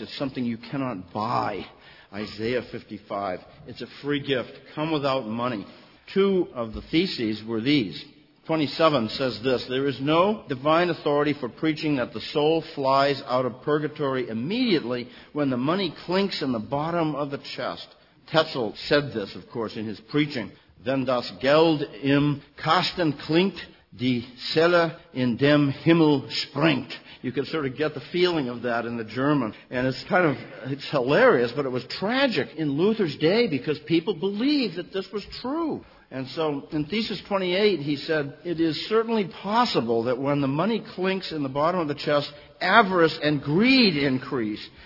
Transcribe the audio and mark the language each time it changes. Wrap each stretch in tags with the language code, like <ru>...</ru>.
<en>It's something you cannot buy. Isaiah 55. It's a free gift. Come without money. Two of the theses were these. 27 says this, there is no divine authority for preaching that the soul flies out of purgatory immediately when the money clinks in the bottom of the chest. Tetzel said this, of course, in his preaching.</en> <de>Then das Geld im Kasten klingt, die Seele in dem Himmel springt.</de> <en>You can sort of get the feeling of that in the German. And it's hilarious, but it was tragic in Luther's day because people believed that this was true. And so in Thesis 28, he said, it is certainly possible that when the money clinks in the bottom of the chest, avarice and greed increase.</en>